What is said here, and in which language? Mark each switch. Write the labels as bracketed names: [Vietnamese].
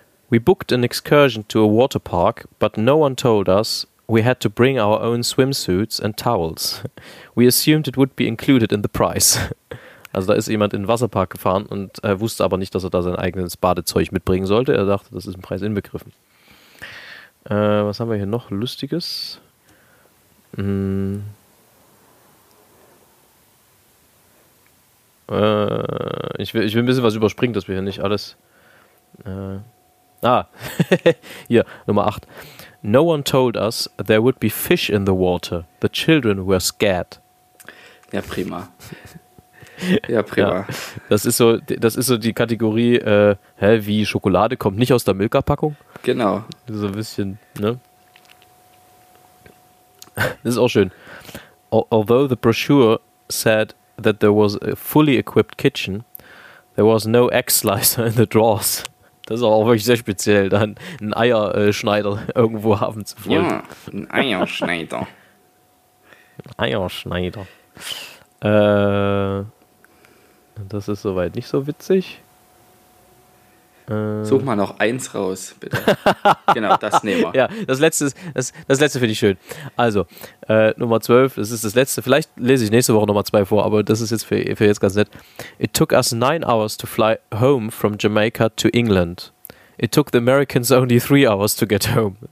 [English] We booked an excursion to a water park, but no one told us we had to bring our own swimsuits and towels. We assumed it would be included in the price. [German] Also da ist jemand in den Wasserpark gefahren und wusste aber nicht, dass er da sein eigenes Badezeug mitbringen sollte. Er dachte, das ist im Preis inbegriffen. Was haben wir hier noch Lustiges? Hm. Ich will ein bisschen was überspringen, dass wir hier nicht alles. Hier, Nummer 8. [English] No one told us there would be fish in the water. The children were scared. [German] Ja, prima. Ja, prima. Ja, das ist so die Kategorie, wie Schokolade kommt nicht aus der Milka-Packung. Genau. So ein bisschen, ne? Das ist auch schön. [English] Although the brochure said that there was a fully equipped kitchen, there was no egg slicer in the drawers. [German] Das ist auch wirklich sehr speziell, dann einen Eierschneider irgendwo haben zu wollen. Ja, ein Eierschneider. Eierschneider. Das ist soweit nicht so witzig. Such mal noch eins raus, bitte. Genau, das nehmen wir. Ja, das letzte finde ich schön. Also, Nummer 12, das ist das letzte. Vielleicht lese ich nächste Woche Nummer 2 vor, aber das ist jetzt für jetzt ganz nett. [English] It took us 9 hours to fly home from Jamaica to England. It took the Americans only 3 hours to get home.